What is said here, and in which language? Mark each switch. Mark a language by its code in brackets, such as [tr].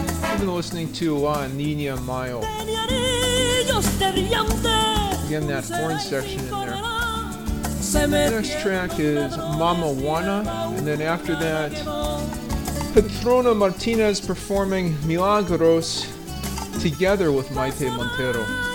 [en] You've been listening to La Niña Mayo. [es] Tenía anillos de brillante. [en] Again, that horn section in there. The next track is Mama Juana, and then after that, Petrona Martinez performing Milagros together with Maite Montero.